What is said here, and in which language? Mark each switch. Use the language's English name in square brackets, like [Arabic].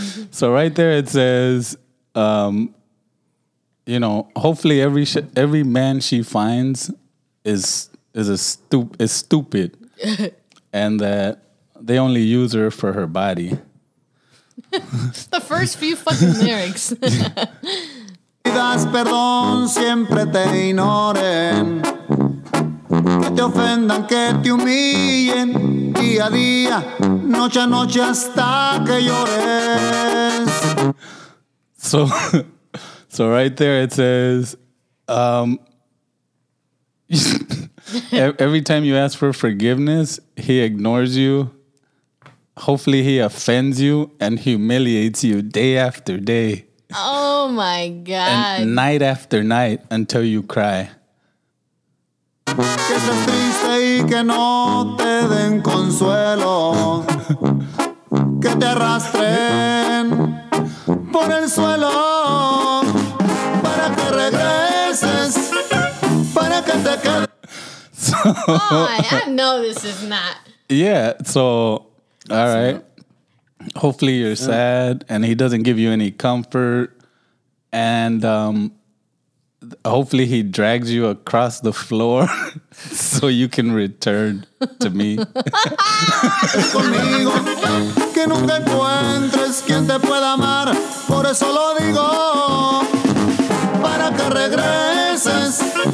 [English] So right there it says, you know, hopefully every man she finds is stupid. And that they only use her for her body. The first few fucking lyrics. [Spanish] Pidas perdón, siempre te ignoren. Que te ofendan, que te humillen. Día a día, noche a noche hasta que llores. [English] So right there it says, every time you ask for forgiveness, he ignores you. Hopefully he offends you and humiliates you day after day. Oh my God. And night after night until you cry. [Spanish] Que estés triste y que no te den consuelo. Que te arrastren por el suelo. Para que regreses. Para que te quedes. [English] So, I know this is not. Yeah, so, all right. Hopefully you're sad and he doesn't give you any comfort. And hopefully he drags you across the floor so you can return to me. [Spanish] Conmigo, que nunca encuentres quien te pueda amar. Por eso lo digo, para que regreses.